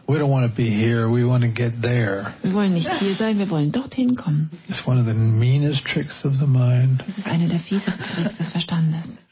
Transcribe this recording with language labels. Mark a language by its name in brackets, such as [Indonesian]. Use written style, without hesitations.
[English] We don't want to be here, we want to get there. [German] Wir wollen nicht hier sein, wir wollen dorthin kommen. [English] It's one of the meanest tricks of the mind. [German] Das ist einer der fiesesten Tricks des Verstandes.